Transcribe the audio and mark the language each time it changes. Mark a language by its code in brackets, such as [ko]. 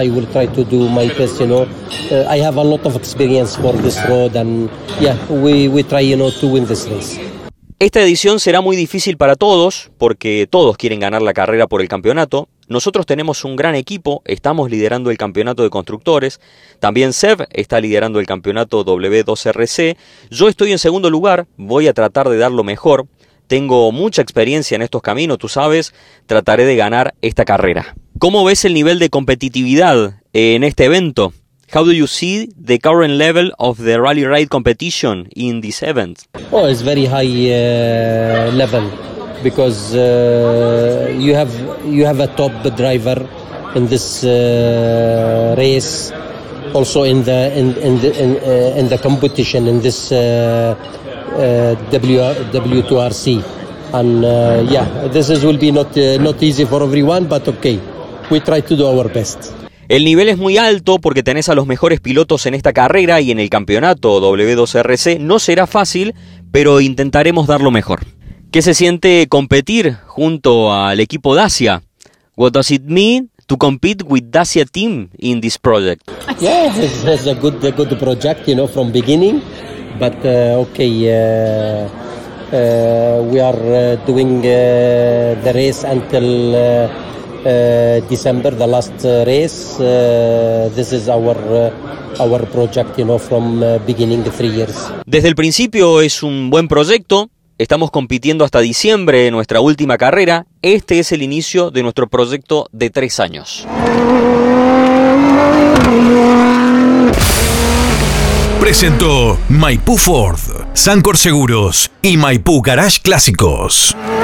[en] I will try to do my best, you know. I have a lot of experience for this road, and yeah, we try, you know, to win this race. [es] Esta edición será muy difícil para todos, porque todos quieren ganar la carrera por el campeonato. Nosotros tenemos un gran equipo, estamos liderando el campeonato de constructores. También Seb está liderando el campeonato W2RC. Yo estoy en segundo lugar, voy a tratar de dar lo mejor. Tengo mucha experiencia en estos caminos, tú sabes, trataré de ganar esta carrera. ¿Cómo ves el nivel de competitividad en este evento? [en] How do you see the current level of the rally ride competition in this event? Oh, it's very high level because you have a top driver in this race, also in the competition in this W2RC, and yeah, this is will be not easy for everyone, but okay, we try to do our best. [es] El nivel es muy alto porque tenés a los mejores pilotos en esta carrera y en el campeonato W2RC. No será fácil, pero intentaremos dar lo mejor. ¿Qué se siente competir junto al equipo Dacia? [en] What does it mean to compete with Dacia team in this project? Yes, it's a good project, you know, from beginning. But okay, we are doing the race until December, the last race. This is our project, you know, from beginning 3 years. [es] Desde el principio es un buen proyecto. Estamos compitiendo hasta diciembre en nuestra última carrera. Este es el inicio de nuestro proyecto de 3 años. Presentó Maipú Ford, Sancor Seguros y Maipú Garage Clásicos.